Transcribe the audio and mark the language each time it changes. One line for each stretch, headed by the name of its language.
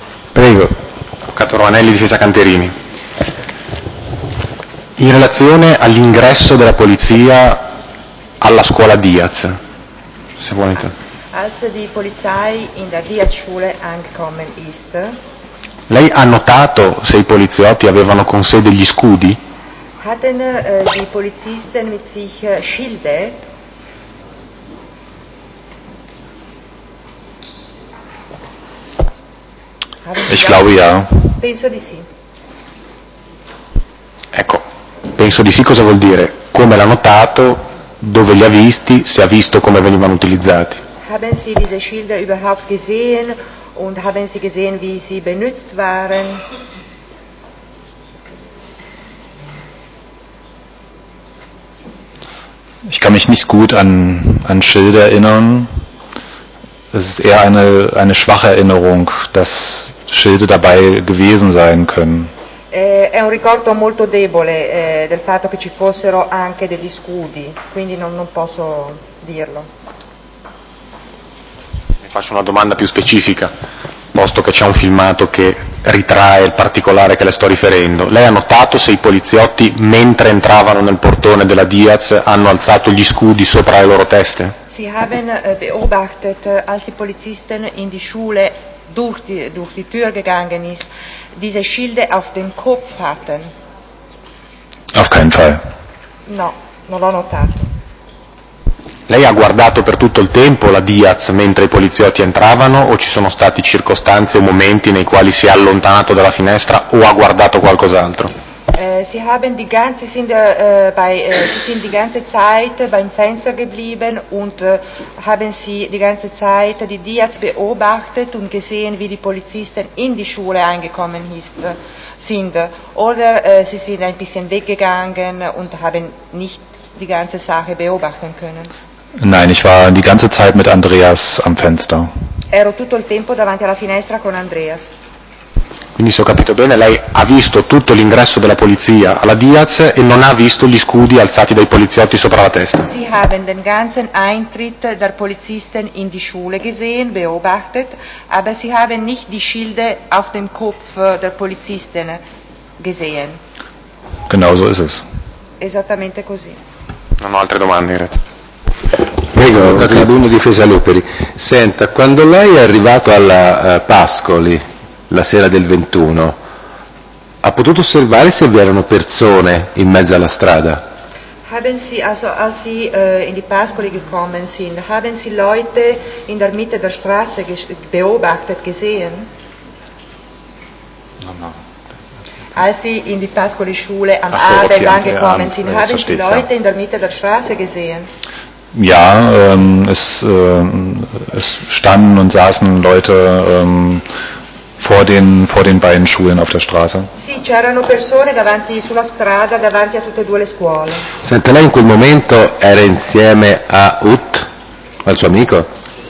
Italian: Prego. Avvocato Romanelli, difesa Canterini. In relazione all'ingresso della polizia alla scuola Diaz, se volete.
German: Als die Polizei in der Diaz-Schule angekommen ist.
Italian: Lei ha notato se i poliziotti avevano con sé degli scudi?
German: Hatten die Polizisten mit sich Schilde? Ich glaube ja.
Italian: Penso di sì. Ecco, penso di sì cosa vuol dire? Come l'ha notato? Dove li ha visti? Se ha visto come venivano utilizzati?
German: Haben Sie diese Schilder überhaupt gesehen und haben Sie gesehen wie sie benutzt waren? Ich kann mich nicht gut an Schilder erinnern. Es ist eher eine schwache Erinnerung, dass Schilde dabei gewesen sein können.
Italian: È un ricordo molto debole del fatto che ci fossero anche degli scudi, quindi non posso dirlo. Mi faccio una domanda più specifica, posto che c'è un filmato che ritrae il particolare che le sto riferendo. Lei ha notato se i poliziotti, mentre entravano nel portone della Diaz, hanno alzato gli scudi sopra le loro teste?
German: Sie haben beobachtet, als die Polizisten in die Schule durch die Tür gegangen ist, diese Schilde auf dem Kopf hatten? Auf keinen Fall.
Italian: No, non l'ho notato. Lei ha guardato per tutto il tempo la Diaz mentre i poliziotti entravano, o ci sono stati circostanze o momenti nei quali si è allontanato dalla finestra o ha guardato qualcos'altro?
German: Sie haben die ganze sind bei sie sind die ganze Zeit beim Fenster geblieben und haben sie die ganze Zeit die Diaz beobachtet und gesehen, wie die Polizisten in die Schule eingekommen sind, oder sie sind ein bisschen weggegangen und haben nicht die ganze Sache beobachten können? Nein, ich war die ganze Zeit mit Andreas am Fenster.
Italian: Ero tutto il tempo davanti alla finestra con Andreas. Quindi, se ho capito bene, lei ha visto tutto l'ingresso della polizia alla Diaz e non ha visto gli scudi alzati dai poliziotti sopra la testa.
German: Sie haben den ganzen Eintritt der Polizisten in die Schule gesehen, beobachtet, aber sie haben nicht die Schilde auf dem Kopf der Polizisten gesehen. Genau so ist es.
Italian: Esattamente così. Non ho altre domande, grazie. Prego, Tribuno Difesa Luperi. Senta, quando lei è arrivato alla Pascoli la sera del 21, ha potuto osservare se vi erano persone in mezzo alla strada?
German: Haben Sie, also als Sie in die Pascoli gekommen sind, haben Sie Leute in der Mitte der Straße beobachtet, gesehen?
Italian: No, no.
German: Als Sie in die Pascoli-Schule am Abend angekommen sind, haben Sie Leute in der Mitte der Straße gesehen? Ja, es standen und saßen Leute vor den beiden Schulen auf der Straße.
Italian: Sì, c'erano persone davanti sulla strada, davanti a tutte e due le scuole. Senta, lei in quel momento era insieme a Ut, al suo amico?